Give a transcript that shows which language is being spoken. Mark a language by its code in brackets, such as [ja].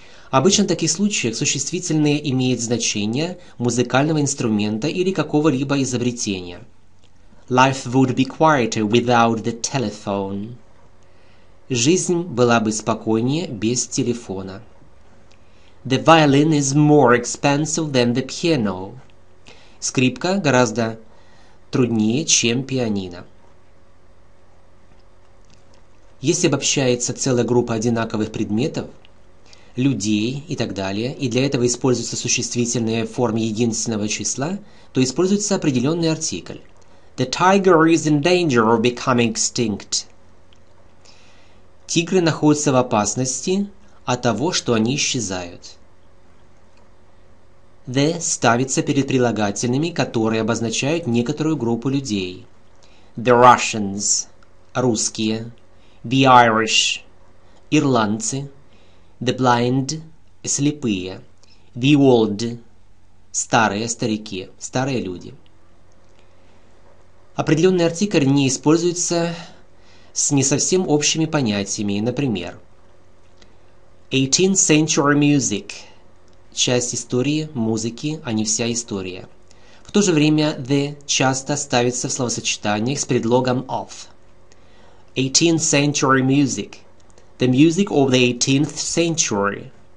[ru] Обычно в таких случаях существительное имеет значение музыкального инструмента или какого-либо изобретения. [en] Life would be quieter without the telephone. [ru] Жизнь была бы спокойнее без телефона. [en] The violin is more expensive than the piano. [ru] Скрипка гораздо труднее, чем пианино. Если обобщается целая группа одинаковых предметов, людей и так далее, и для этого используются существительные в форме единственного числа, то используется определенный артикль. [en] The tiger is in danger of becoming extinct. [ru] Тигры находятся в опасности от того, что они исчезают. The ставится перед прилагательными, которые обозначают некоторую группу людей. [en] The Russians – [ru] русские. [en] The Irish – [ru] ирландцы. [en] The blind [ru] – слепые. [en] The old [ru] – старые старики, старые люди. Определенный артикль не используется с не совсем общими понятиями, например, [en] 18th century music [ru] – часть истории, музыки, а не вся история. В то же время the часто ставится в словосочетаниях с предлогом of. [en] 18th century music – the music of the 18th century.